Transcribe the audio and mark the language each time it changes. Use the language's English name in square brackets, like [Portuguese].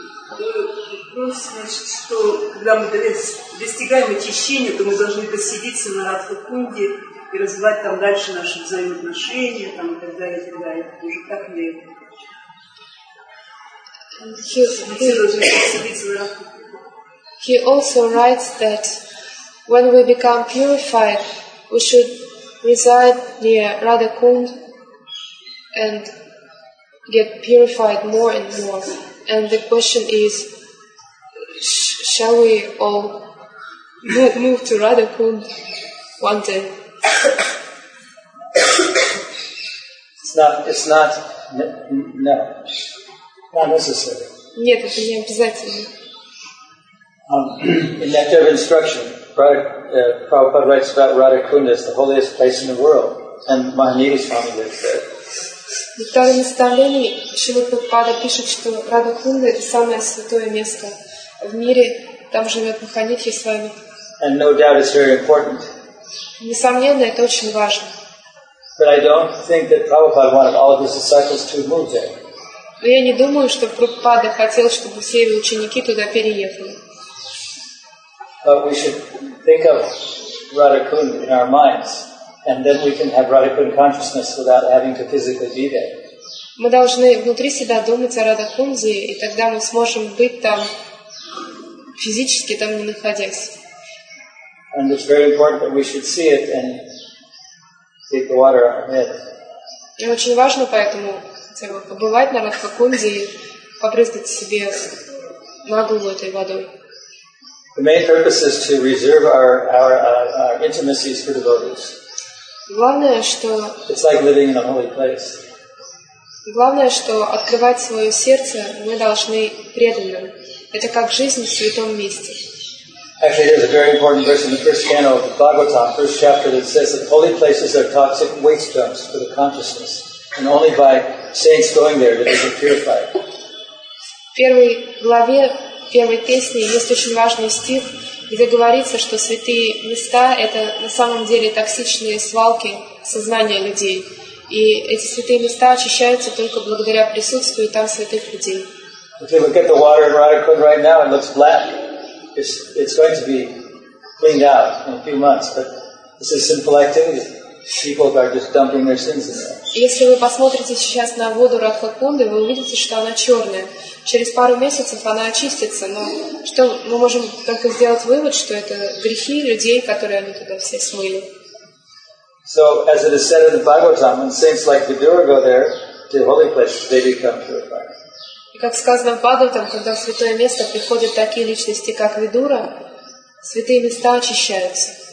[Russian] Вопрос, значит, что когда мы достигаем очищения, то мы должны поселиться на Радха-кунде и развивать там дальше наши взаимоотношения, там, и так далее. Как мы это? [English] He also writes that when we become purified, we should reside near Radha-kund and get purified more and more. And the question is, shall we all move to Radha-kund one day? It's not. Not necessary. [Russian] Нет, это не обязательно. [English] In Nectar of Instruction, Prabhupada writes about Radha-kunda as the holiest place in the world, and Mahanidhi Swami lives there. [Russian] В Нектаре Наставлений Шрила Прабхупада пишет, что Радха-кунда — это самое святое место в мире. Там живет Маханитхи Свами. [English] And no doubt it's very important. [Russian] Несомненно, это очень важно. [English] But I don't think that Prabhupada wanted all of his disciples to move there. [Russian] Но я не думаю, что Прабхупада хотел, чтобы все его ученики туда переехали. [English] But we should think of Radha-kunda in our minds, and then we can have Radha-kunda consciousness without having to physically be there. [Russian] Мы должны внутри себя думать о Радха-кунде, и тогда мы сможем быть там физически, там не находясь. [English] And it's very important that we should see it and take the water on our head. [Russian] И очень важно поэтому хотя бы побывать на Радха-кунде и попрыскать себе на голову этой водой. [English] The main purpose is to reserve our intimacies for devotees. [Russian] Главное, что [English] it's like living in a holy place. [Russian] Главное, что открывать свое сердце мы должны преданным. Это как жизнь в святом месте. [English] Actually, there's a very important verse in the first canto of the Bhagavatam, first chapter, that says that holy places are toxic waste dumps for the consciousness, and only by saints going there do they get purified. [Russian] Первый главе в первой песне есть очень важный стих, где говорится, что святые места — это на самом деле токсичные свалки сознания людей. И эти святые места очищаются только благодаря присутствию там святых людей. [English] If you look at the water in Radha-kunda right now, it looks black. It's going to be cleaned out in a few months, but this is simple activity. People are just dumping their sins in there. [Russian] Если вы посмотрите сейчас на воду Радха-кунды, вы увидите, что она черная. Через пару месяцев она очистится, но что мы можем только сделать вывод, что это грехи людей, которые они туда все смыли. [English] So as it is said in the Bhagavatam, when saints like Vidura go there to the holy place, they become purified. [Russian] И как сказано в Бхагаватам, когда в святое место приходят такие личности, как Видура, святые места очищаются.